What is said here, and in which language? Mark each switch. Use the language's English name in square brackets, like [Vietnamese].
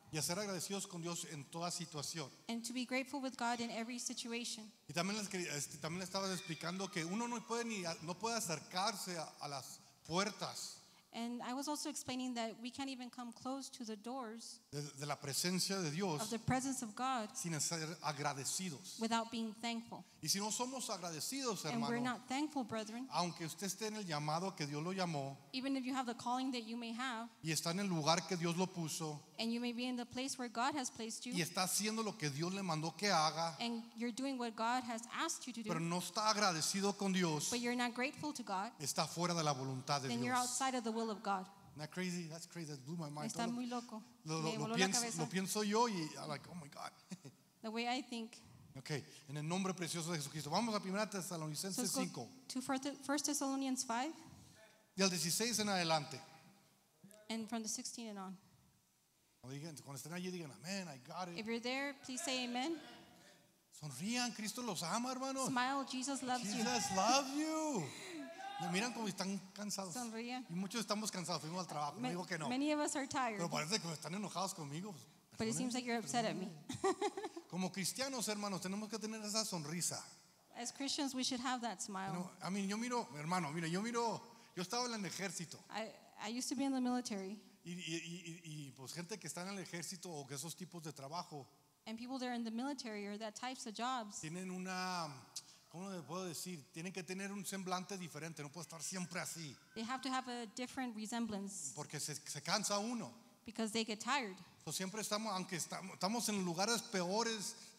[Spanish] Y ser agradecidos con Dios en toda situación. [English] And to be grateful with God in every situation. [Spanish] Y también les estaba explicando que uno no puede acercarse a las puertas. [English] And I was also explaining that we can't even come close to the doors [Spanish] de la presencia de Dios [English] of the presence of God [Spanish] sin ser agradecidos. [English] Without being thankful. [Spanish] Y si no somos agradecidos, hermano, [English] and we're not thankful, brethren, [Spanish] aunque usted esté en el llamado que Dios lo llamó, [English] even if you have the calling that you may have, [Spanish] y está en el lugar que Dios lo puso, [English] and you may be in the place where God has placed you, [Spanish] y está haciendo lo que Dios le mandó que haga, [English] and you're doing what God has asked you to do, [Spanish] pero no está agradecido con Dios, [English] but you're not grateful to God, [Spanish] está fuera de la voluntad de [English] then [Spanish] Dios. [English] You're outside of the will of God. Isn't that crazy? That's crazy. That blew my mind. [Spanish] Está muy loco. Lo pienso yo y [English] I'm like, oh my God. The way I think. [Spanish] Okay. En el nombre precioso de Jesucristo. Vamos a primera Tesalonicenses 5. [English] To First Thessalonians 5. [Spanish] Y al 16 en adelante. [English] And from the 16 and on. [Spanish] Cuando estén allí digan amén, [English] I got it. If you're there, please say amen. [Spanish] Sonrían, Cristo los ama, hermanos. [English] Smile, Jesus loves Jesus you. Jesus loves you. [Spanish] Me miran como están cansados. Sonríe. Y muchos estamos cansados, fuimos al trabajo. No digo que no. [English] Many of us are tired. [Spanish] Pero parece que están enojados conmigo. [English] But it seems like you're upset at me. [Spanish] Como cristianos, hermanos, tenemos que tener esa sonrisa. [English] As Christians, we should have that smile. No, I mean, [Spanish] yo miro, hermano, mira, yo miro, yo estaba en el ejército. [English] I used to be in the military. [Spanish] Y pues gente que está en el ejército o que esos tipos de trabajo. [English] And people that are in the military or that types of jobs. [Spanish] Tienen una, ¿cómo le puedo decir? Tienen que tener un semblante diferente, no puede estar siempre así. [English] They have to have a different resemblance. [Spanish] Porque se cansa uno. [English] Because they get tired. [Spanish] So siempre estamos, aunque estamos en lugares peores.